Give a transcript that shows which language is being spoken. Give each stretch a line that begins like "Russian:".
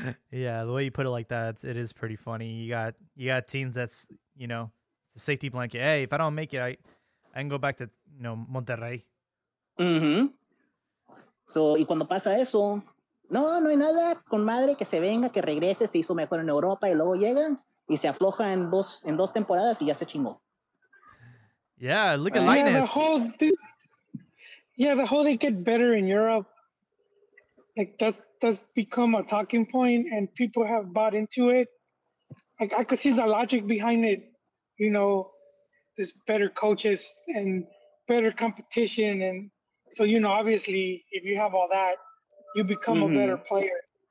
English: Yeah, the way you put it like that, it is pretty funny. You got teams that's, you know, the safety blanket. Hey, if I don't make it, I can go back to, you know, Monterrey. Mm-hmm.
Spanish: So, y cuando pasa eso, no hay nada con madre que se venga, que regrese, se hizo mejor en Europa y luego llega. y se afloja en dos temporadas y ya se chingó.
English: Yeah, look at Linus. The whole they get better in Europe, like that's become a talking point and people have bought into it. Like I could see the logic behind it, you know, there's better coaches and better competition, and so, you know, obviously if you have all that, you become a better player.